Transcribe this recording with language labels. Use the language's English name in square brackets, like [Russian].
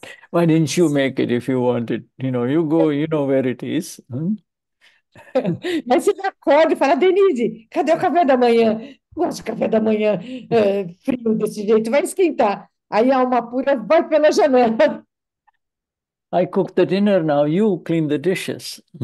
[English] Why didn't you make it if you wanted? You know, you go, you know where it is. [Portuguese] Mas ele acorda e fala, Denise, cadê o café da manhã? Gosto de café da manhã frio desse jeito, vai esquentar. Aí a Amapura vai pela janela. [English] I cook the dinner now, you clean the dishes.